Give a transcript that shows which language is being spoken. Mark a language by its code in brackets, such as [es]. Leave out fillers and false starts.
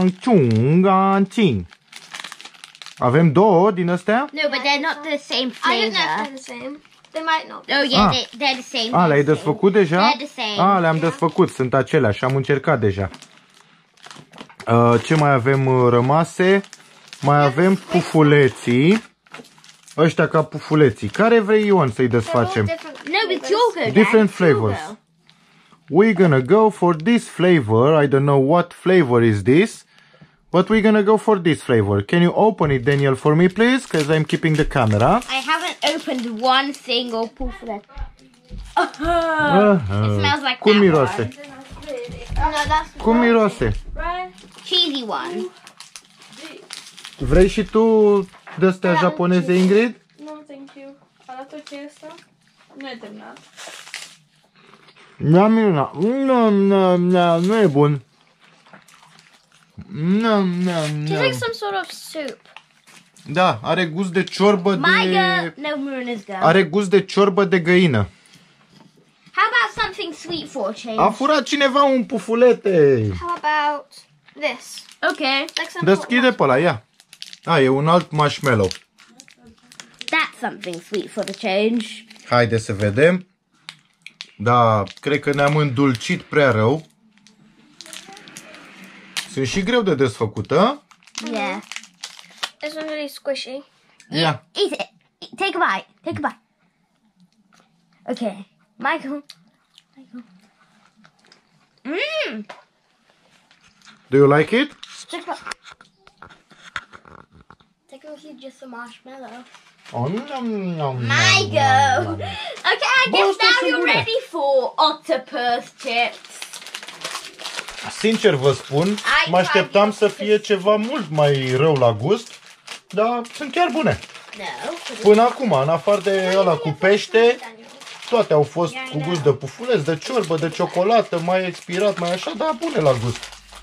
[ro] Chan-ching-yang-chung-gan-ching. Avem două din astea? [en] No, but they're not the same flavor. I don't know if they're the same. They might not be. Oh, yeah, they're the same. [ro] Ah, le-ai desfăcut deja? [en] They're the same. [ro] Ah, le-am desfăcut, sunt aceleași, am încercat deja. Ce mai avem rămase? Mai avem pufuleții. Ăștia ca pufuleții. Care vrei, Ion, să-i desfacem? [en] No, but you'll go, Dad. Different flavors. We're gonna go for this flavor. I don't know what flavor is this, but we're gonna go for this flavor. Can you open it, Daniel, for me, please? Because I'm keeping the camera. I haven't opened one single pufflet. Uh-huh. It smells like [ro] cum [en] that [ro] miroase? [en] One. No, that's [ro] cum miroase? [en] Cheesy one. [ro] Vrei și tu d-astea japoneze, Ingrid? [en] No, thank you. [ro] Arată ce asta? Nu e terminat. Nu am mirna. Nu, nu, nu, nu e bun. Nu, nu, nu. [en] It's like some sort of soup. [ro] Da, are gust de ciorbă de... [en] No, mirna is good. [ro] Are gust de ciorbă de găină. [en] How about something sweet for a change? [ro] A furat cineva un pufulete. [en] How about this? Okay. [ro] Like deschide pe ăla, ia. A, e un alt marshmallow. [en] That's something sweet for the change. [ro] Haide să vedem. Da, cred că ne-am îndulcit prea rău. Sunt și greu de desfăcută. [en] Yeah. It's not really squishy. Yeah. Eat it. Take a bite. Take a bite. Okay. Michael. Michael. Mmm. Do you like it? Take a just a marshmallow. Oh, nom, nom, my go. Okay, I guess now you're ready for octopus chips. [ro] Sincer vă spun, mă așteptam să fie ceva mult mai rău la gust, dar sunt chiar bune. [en] No. [ro] Până acum, în afară de ăla cu pește, toate au fost cu gust de pufuleț, de ciorbă, de ciocolată, mai expirat, mai așa, dar bune la gust.